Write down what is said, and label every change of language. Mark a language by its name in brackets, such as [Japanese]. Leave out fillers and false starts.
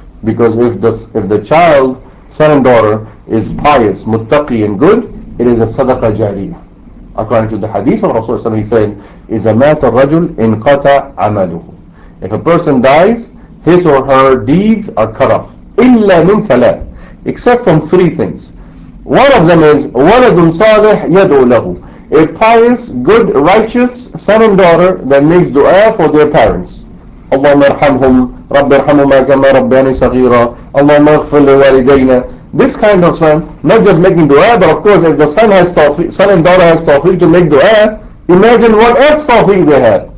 [English] Because if the child, son and daughter, is pious, muttaqi and good, it is a sadaqah jariyah. According to the hadith of Rasulullah, he said, [Arabic] إِذَا مَاتَ الرَّجُلْ إِنْ قَتَ عَمَلُهُ. [English] If a person dies, his or her deeds are cut off. [Arabic] إِلَّا مِنْ ثَلَاثٍ. [English] Except from three things. One of them is, [Arabic] وَلَدٌ صَالِحْ يَدْعُ لَهُ. [English] A pious, good, righteous son and daughter that makes dua for their parents. [Arabic] اللَّهُمَّ ارْحَمْهُمْ رَبِّ ارْحَمُهُمَا كَمَا رَبَّيَانِي صَغِيرًا اللَّهُمَّ اغْفِرْ لِوَالِدَيْنَا. [English] This kind of son, not just making dua, but of course if the son and daughter has tawfiq to make dua, imagine what else tawfiq they have.